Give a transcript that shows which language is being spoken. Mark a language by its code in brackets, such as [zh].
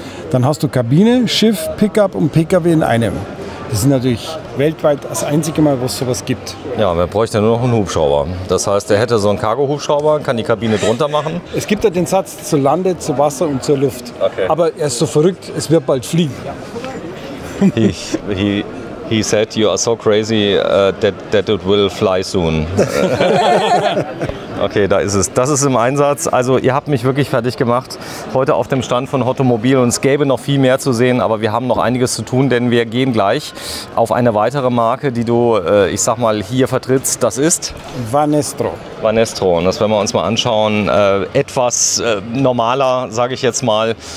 [de] Dann hast du Kabine, Schiff, Pickup und Pkw in einem. Das ist natürlich weltweit das einzige Mal, wo es sowas gibt. Ja, man bräuchte nur noch einen Hubschrauber. Das heißt, er hätte so einen Cargo-Hubschrauber, kann die Kabine drunter machen. Es gibt ja den Satz, zu Lande, zu Wasser und zur Luft. Okay. Aber er ist so verrückt, es wird bald fliegen. [en] He said, you are so crazy that it will fly soon. [de] Okay, da ist es. Das ist im Einsatz. Also ihr habt mich wirklich fertig gemacht heute auf dem Stand von Hottomobil und es gäbe noch viel mehr zu sehen, aber wir haben noch einiges zu tun, denn wir gehen gleich auf eine weitere Marke, die du, ich sag mal, hier vertrittst. Das ist? Vanestro. Vanestro. Und das werden wir uns mal anschauen. Etwas normaler, sage ich jetzt mal.